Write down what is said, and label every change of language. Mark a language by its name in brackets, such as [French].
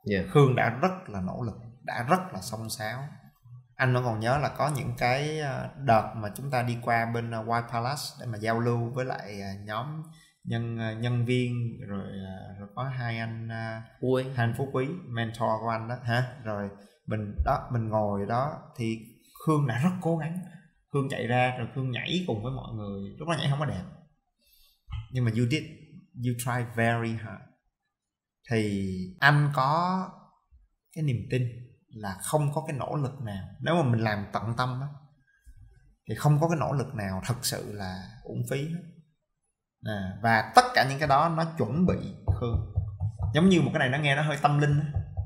[Vietnamese] Khương đã rất là nỗ lực, đã rất là xông xáo. Anh vẫn còn nhớ là có những cái đợt mà chúng ta đi qua bên White Palace để mà giao lưu với lại nhóm nhân viên rồi có hai anh Quý. Hai anh Phú Quý, mentor của anh đó hả? Rồi mình đó, mình ngồi đó thì Khương đã rất cố gắng. Khương chạy ra rồi Khương nhảy cùng với mọi người, lúc đó nhảy không có đẹp. Nhưng mà [English] you tried very hard. [Vietnamese] Thì anh có cái niềm tin là không có cái nỗ lực nào, nếu mà mình làm tận tâm đó, thì không có cái nỗ lực nào thật sự là uổng phí. À, và tất cả những cái đó nó chuẩn bị Khương. Giống như một cái này nó nghe nó hơi tâm linh đó.